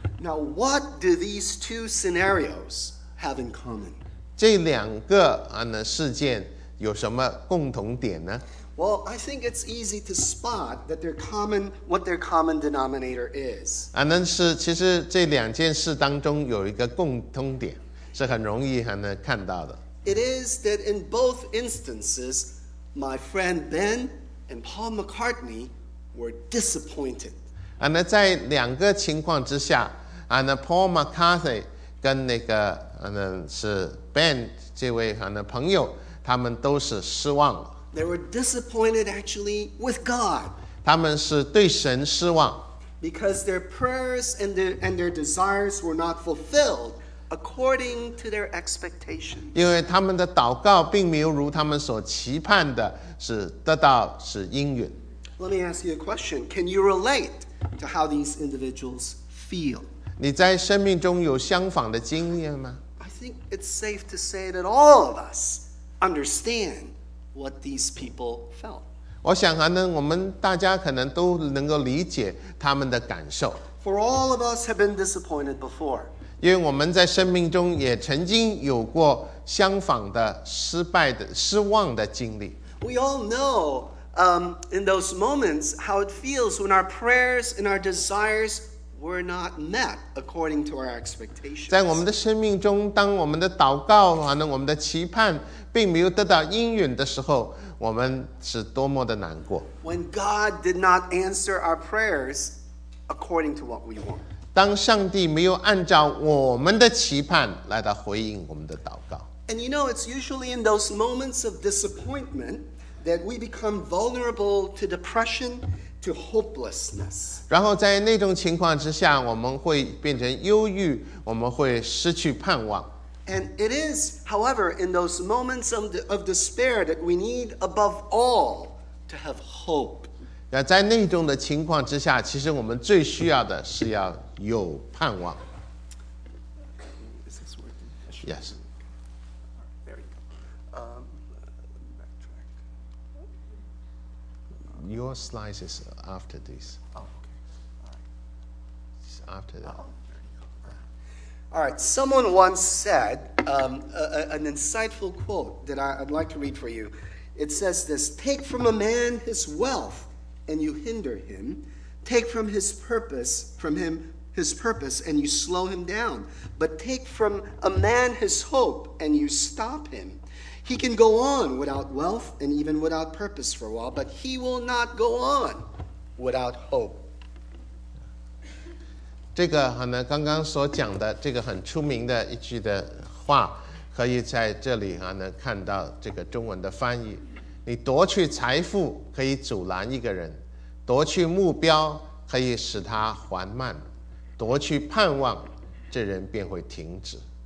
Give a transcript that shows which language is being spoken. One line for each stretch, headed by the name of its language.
English: Now, what do these two scenarios have in common?
Chinese: 这两个事件有什么共同点呢？
English: Well, I think it's easy to spot that their common, what their common denominator is.
Chinese: 是其实这两件事当中有一个共通点，是很容易看到的。
English: It is that in both instances, my friend Ben and Paul McCartney were disappointed.
Chinese: 在两个情况之下Paul McCartney跟那个是 Ben 这位朋友，他们都是失望了。
English: They were disappointed actually with God.
Chinese: 他们是对神失望。
English: Because their prayers and their desires were not fulfilled according to their expectations.
Chinese: 因为他们的祷告并没有如他们所期盼的是得到是应允。
English: Let me ask you a question. Can you relate to how these individuals feel?
Chinese: 你在生命中有相仿的经验吗？
English: I think it's safe to say that all of us understand what these people felt.
Chinese: 我想呢，我们大家可能都能够理解他们的感受。
English: For all of us have been disappointed before.
Chinese: 因为我们在生命中也曾经有过相仿的失败的失望的经历。
English: We all know, in those moments how it feels when our prayers and our desires. We're not met according to our expectations.
Chinese: 在我们的生命中，当我们的祷告完了，我们的期盼并没有得到应允的时候，我们是多么的难过。
English: When God did not answer our prayers according to what we want.
Chinese: 当上帝没有按照我们的期盼来到回应我们的祷告。
English: And you know, it's usually in those moments of disappointment that we become vulnerable to depression. To hopelessness.
Chinese: 然后在那种情况之下，我们会变成忧郁，我们会失去盼望。
English: And it is, however, in those moments of despair that we need above all to have hope.
Chinese: 在那种的情况之下，其实我们最需要的是要有盼望。
English: Is this working? Yes. There you go. Backtrack. Your slides is. After this. Oh, okay. All right. After that. All right. Someone once said an insightful quote that I'd like to read for you. It says this, take from a man his wealth and you hinder him. Take from his purpose and you slow him down. But take from a man his hope and you stop him. He can go on without wealth and even without purpose for a while, but he will not go on without hope.
Chinese: 这个好呢，刚刚所讲的这个很出名的一句的话，可以在这里啊呢看到这个中文的翻译。你夺取财富可以阻拦一个人，夺取目标可以使他缓慢，夺取盼望，这人便会停止。